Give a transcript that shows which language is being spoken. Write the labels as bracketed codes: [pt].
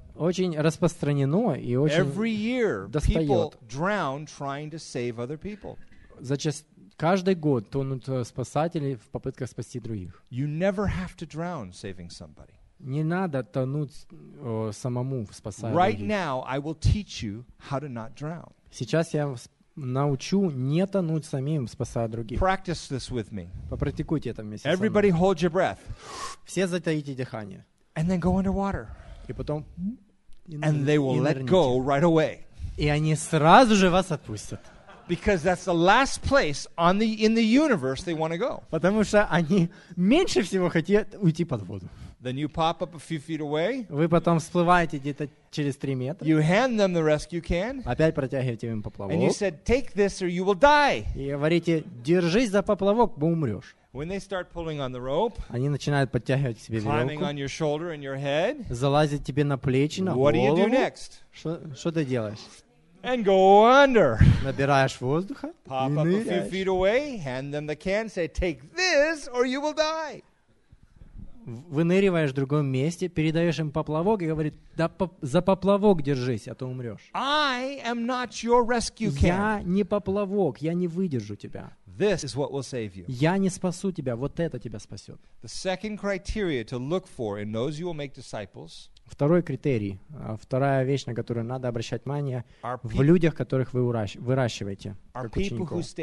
[ru] Очень распространено и очень [en] Every year [ru] достает. [en] People drown trying to save other people. [ru] Каждый год тонут спасатели в попытках спасти других. [en] You never have to drown saving somebody. [ru] Не надо тонуть самому в спасая [en] right [ru] других. [en] Now I will teach you how to not drown. [ru] Сейчас я научу не тонуть самим, спасая других. [en] Practice this with me. [ru] Попрактикуйте это вместе [en] Everybody [ru] со мной. [en] Hold your breath. [ru] Все затаите дыхание. [en] And then go underwater. [ru] И потом [en] And they will let go right away. [ru] И они сразу же вас отпустят. [en] Because that's the last place on the in the universe they want to go. [ru] Потому что они меньше всего хотят уйти под воду. [en] Then you pop up a few feet away. [ru] Вы потом всплываете где-то через 3 метра. [en] You hand them the rescue can. [ru] Опять протягиваете им поплавок. [en] And you said, "Take this, or you will die." [ru] И говорите, держись за поплавок, вы умрешь. [en] When they start pulling on the rope, [ru] они начинают подтягивать себе веревку, [en] climbing on your shoulder and your head. [ru] Залазят тебе на плечи, на [en] what [ru] голову. [en] What do you do next? [ru] Что ты делаешь? [en] And go under. [ru] Набираешь воздуха. [en] Pop up a few feet away. Hand them the can. Say, take this, or you will die. [ru] Выныриваешь в другом месте, передаешь им поплавок и говорит, да за поплавок держись, а то умрешь. [en] I am not your rescue can. [ru] Я не поплавок, я не выдержу тебя. [en] This is what will save you. [ru] Я не спасу тебя, вот это тебя спасет. [en] The second criteria to look for in those you will make disciples. [ru] Второй критерий, вторая вещь, на которую надо обращать внимание, в людях, которых вы выращиваете, как учеников.